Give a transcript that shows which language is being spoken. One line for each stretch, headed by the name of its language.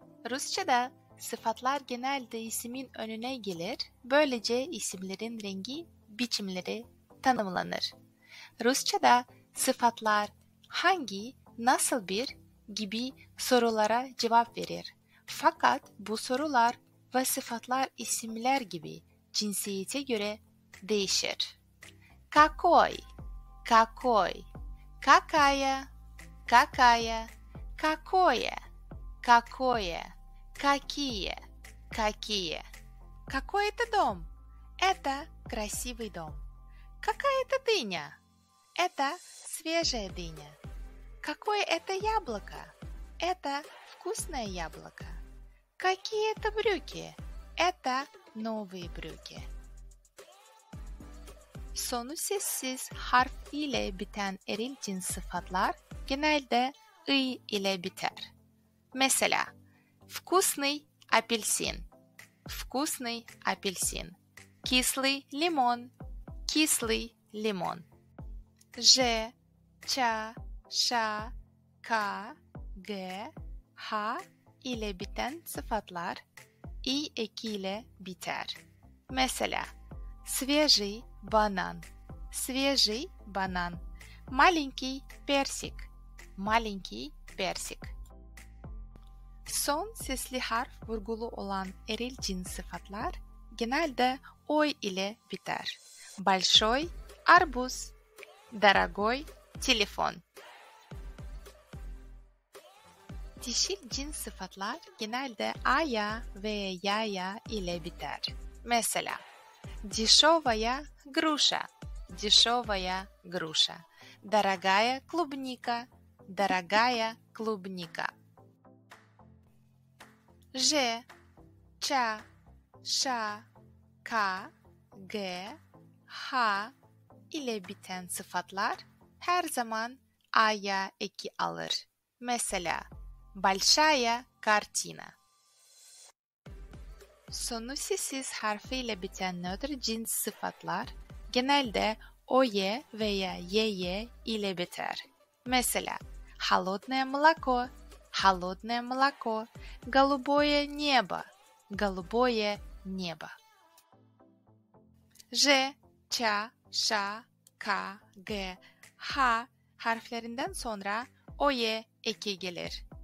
Turkish: Rusça'da sıfatlar genelde isimin önüne gelir, böylece isimlerin rengi, biçimleri tanımlanır. Rusça'da sıfatlar hangi, nasıl bir gibi sorulara cevap verir. Fakat bu sorular ve sıfatlar isimler gibi cinsiyete göre değişir.
Russian: Какой, какой, какая, какая, какое, какое, какие, какие. Какой это дом? Это красивый дом. Какая это дыня? Это свежая дыня. Какое это яблоко? Это вкусное яблоко. Какие это брюки? Это новые брюки.
Turkish: Sonu sessiz harf ile biten eril cins sıfatlar genelde ı ile biter. Mesela,
Russian: вкусный апельсин, вкусный апельсин. Кислый лимон, кислый лимон.
Turkish: Ж, ча, ша, ка, г, ха ile biten sıfatlar i eki ile biter. Mesela,
Russian: свежий банан, свежий банан. Маленький персик, маленький персик.
Turkish: Son sesli harf vurgulu olan eril cins sıfatlar genelde ой ile biter.
Russian: Большой арбуз, дорогой телефон.
Turkish: Dişil cins sıfatlar genelde ая ve яя ile biter. Mesela,
Russian: дешевая груша, дешевая груша. Дорогая клубника, дорогая клубника.
Turkish: Ж, ча, ша, ка, г, ха ile biten sıfatlar her zaman а-я eki alır. Mesela,
Russian: большая картина.
Turkish: Sonu sessiz harfiyle biten nötr cins sıfatlar genelde ое veya ее ile biter. Mesela,
Russian: холодное молоко, холодное молоко, голубое небо, голубое небо.
Turkish: Ж, ча, ша, ка, г, ха harflerinden sonra ое eki gelir.